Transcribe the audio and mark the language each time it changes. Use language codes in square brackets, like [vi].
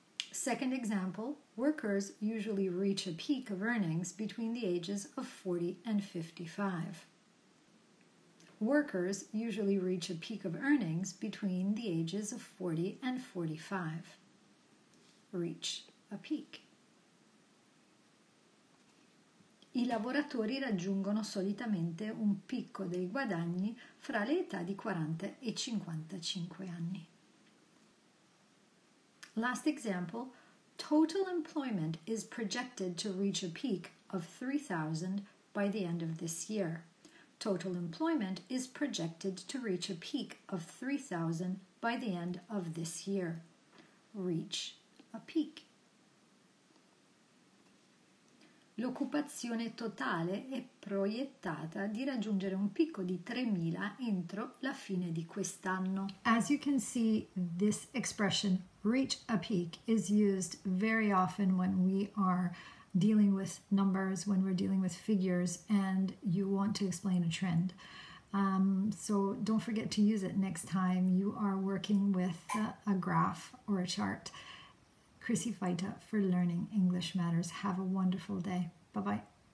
[en] Second example, workers usually reach a peak of earnings between the ages of 40 and 55. Workers usually reach a peak of earnings between the ages of 40 and 45. Reach a peak. [it] I lavoratori raggiungono solitamente un picco dei guadagni fra le età di 40 e 55 anni. [en] Last example, total employment is projected to reach a peak of 3,000 by the end of this year. Total employment is projected to reach a peak of 3,000 by the end of this year. Reach a peak. [it] L'occupazione totale è proiettata di raggiungere un picco di 3,000 entro la fine di quest'anno. [en] As you can see, this expression, reach a peak, is used very often when we are dealing with numbers, when we're dealing with figures, and you want to explain a trend. So don't forget to use it next time you are working with a graph or a chart. Chrissy Feita for Learning English Matters. Have a wonderful day. Bye-bye.